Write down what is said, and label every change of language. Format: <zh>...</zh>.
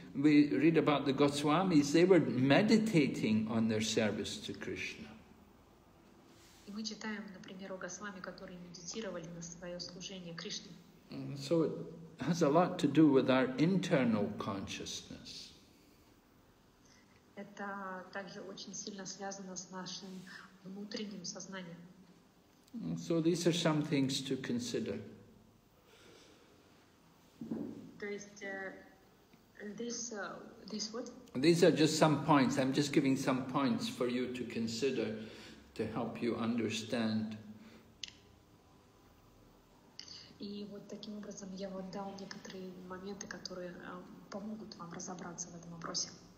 <en>We read about the Goswamis, they were meditating on their service to Krishna.</en> <ru>И мы читаем, например, о Госвами, которые медитировали на свое служение Кришне.</ru> <en>So it has a lot to do with our internal consciousness.</en> <ru>Это также очень сильно связано с нашим внутренним сознанием.</ru> <en>So these are some things to consider.</en> <ru>То есть</ru> <en>These are just some points. I'm just giving some points for you to consider to help you understand.</en> <ru>И вот таким образом я вам дал некоторые моменты, которые помогут вам разобраться в этом вопросе.</ru>